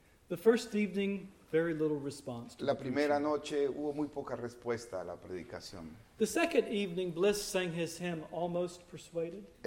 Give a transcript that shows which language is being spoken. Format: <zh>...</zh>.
<en>The first evening, very little response.</en> <es>La primera noche hubo muy poca respuesta a la predicación.</es> <en>The second evening, Bliss sang his hymn, Almost Persuaded.</en>